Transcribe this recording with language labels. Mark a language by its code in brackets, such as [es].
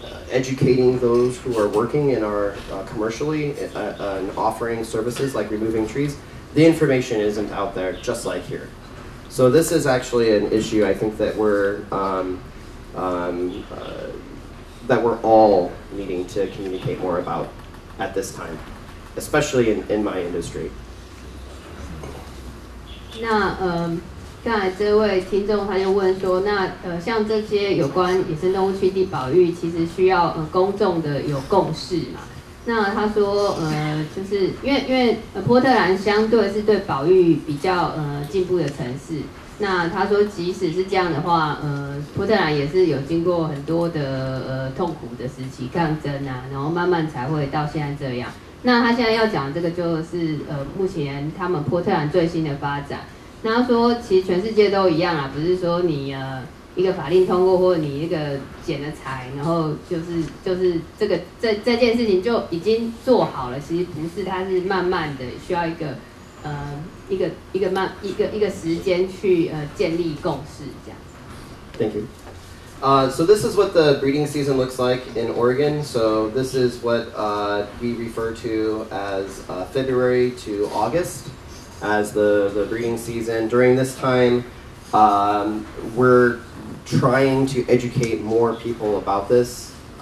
[en] educating those who are working in our commercially and offering services like removing trees, the information isn't out there just like here. So this is actually an issue I think that we're all needing to communicate more about at this time, especially in my industry. [zh] 那刚才这位听众他就问说，那像这些有关野生动物栖地保育，其实需要公众的有共识嘛？那他说就是因为波特兰相对是对保育比较进步的城市，那他说即使是这样的话，波特兰也是有经过很多的痛苦的时期抗争啊，然后慢慢才会到现在这样。那他现在要讲这个就是目前他们波特兰最新的发展。那他说其实全世界都一样啊，不是说你一个法令通过或你一个捡了财，然后就是这个这件事情就已经做好了。其实不是，它是慢慢的需要一个时间去建立共识这样。 [en] Thank you. So this is what the breeding season looks like in Oregon. So this is what we refer to as February to August as the breeding season. During this time, we're trying to educate more people about this,